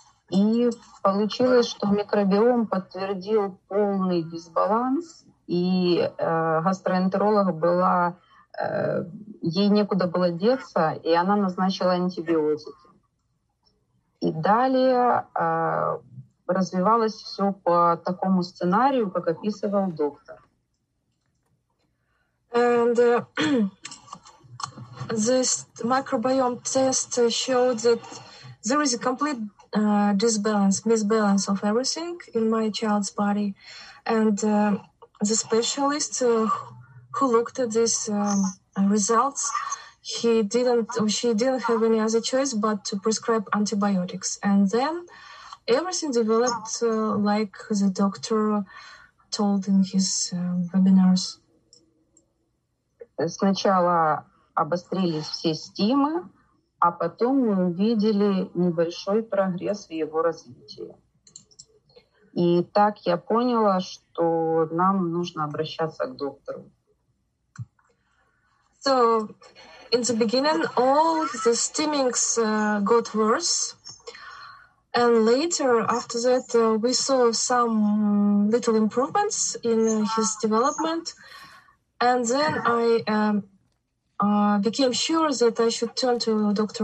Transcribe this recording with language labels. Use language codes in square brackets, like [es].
[ru] И получилось, что микробиом подтвердил полный дисбаланс, и гастроэнтеролог была, ей некуда было деться, и она назначила антибиотики. И далее развивалось все по такому сценарию, как описывал доктор. [en] And this microbiome test showed that there is a complete misbalance of everything in my child's body. And the specialist who looked at these results, she didn't have any other choice but to prescribe antibiotics. And then everything developed like the doctor told in his webinars. [ru] Сначала обострились все стимы, а потом мы увидели небольшой прогресс в его развитии. И так я поняла, что нам нужно обращаться к доктору. [en] So, in the beginning, all the stimmings got worse. And later, after that, we saw some little improvements in his development. And then I became sure that I should turn to Dr.